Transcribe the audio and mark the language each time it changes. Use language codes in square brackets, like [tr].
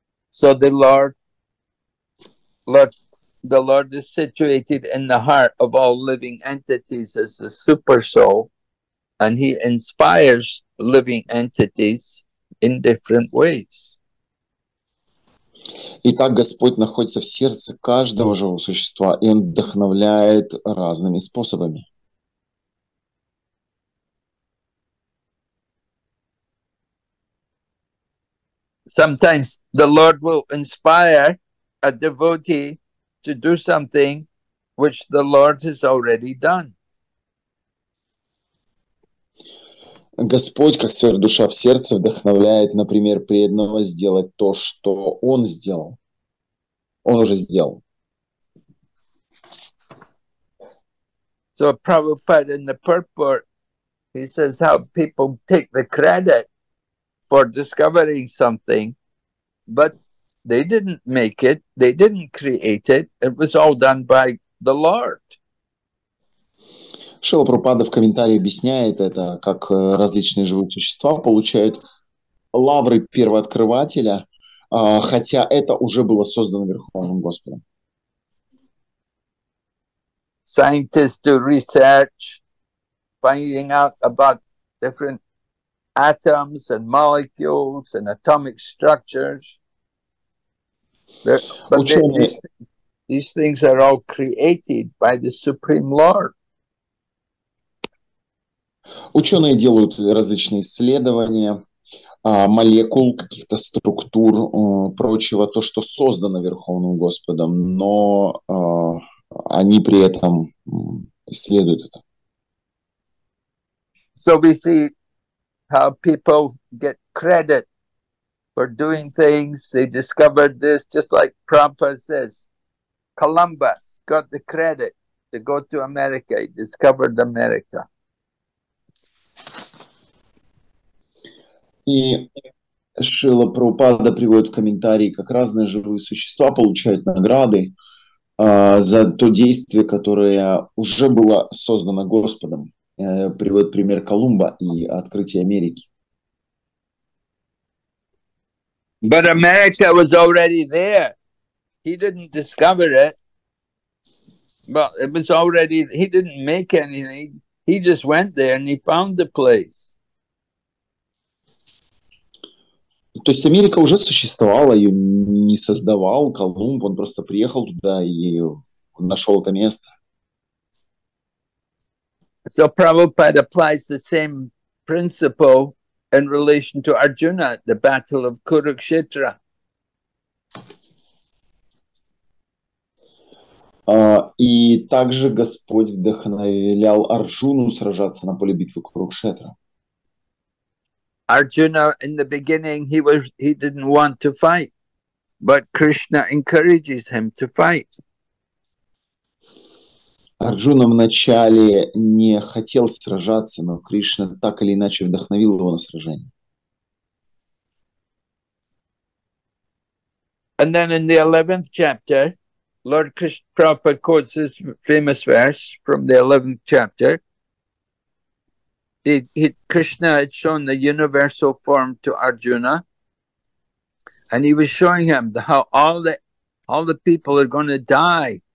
[en] So the Lord is situated in the heart of all living entities as the super soul, and he inspires living entities in different ways. [ru] Итак, Господь находится в сердце каждого живого существа, и он вдохновляет разными способами. [en] Sometimes the Lord will inspire a devotee to do something which the Lord has already done. [ru] Господь, как сверхдуша в сердце, вдохновляет, например, преданного сделать то, что он сделал. Он уже сделал. [en] So Prabhupada in the purport, he says how people take the credit for discovering something, but they didn't make it, they didn't create it, it was all done by the Lord. [ru] Шрила Прабхупада в комментарии объясняет это, как различные живые существа получают лавры первооткрывателя, хотя это уже было создано Верховным Господом. [en] Scientists do research, finding out about different atoms and molecules and atomic structures. But these things are all created by the Supreme Lord. [ru] Ученые делают различные исследования молекул, каких-то структур, прочего, то, что создано Верховным Господом, но они при этом исследуют это. [en] So we see how people get credit for doing things. They discovered this, just like Prabhupada says, Columbus got the credit to go to America, he discovered America. [ru] И Шрила Прабхупада приводит в комментарии, как разные живые существа получают награды за то действие, которое уже было создано Господом. Приводит пример Колумба и открытия Америки. [en] But America was already there. He didn't discover it. But it was already, he didn't make anything. He just went there and he found the place. [ru] То есть Америка уже существовала, ее не создавал Колумб, он просто приехал туда и нашел это место. [en] So Prabhupada applies the same principle in relation to Arjuna, the battle of Kurukshetra. [ru] И также Господь вдохновлял Арджуну сражаться на поле битвы Курукшетра. [en] Arjuna, in the beginning, he didn't want to fight, but Krishna encourages him to fight. [ru] Арджуна вначале не хотел сражаться, но Кришна так или иначе вдохновил его на сражение. [en] And then in the 11th chapter, Lord Krishna Prabhupada quotes this famous verse from the 11th chapter. Krishna had shown the universal form to Arjuna, and he was showing him how all the people are going to die.